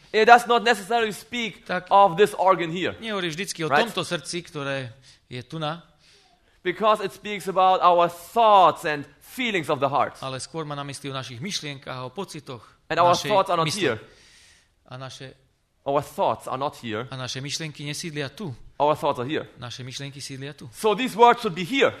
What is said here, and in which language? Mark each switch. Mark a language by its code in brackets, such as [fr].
[en] it does not necessarily speak of this organ here. [sk] Nehovorí vždycky o tomto srdci, ktoré je tu na. [en] Because it speaks about our thoughts and feelings of the heart. [sk] Ale skôr má na mysli o našich myšlienkach a o pocitoch. [en] And our thoughts are not here. [sk] a naše [en] our thoughts are not here. [sk] A naše myšlienky nesídlia tu. [en] Our thoughts are here. [sk] Naše myšlienky sídlia tu. [en] So these words should be here.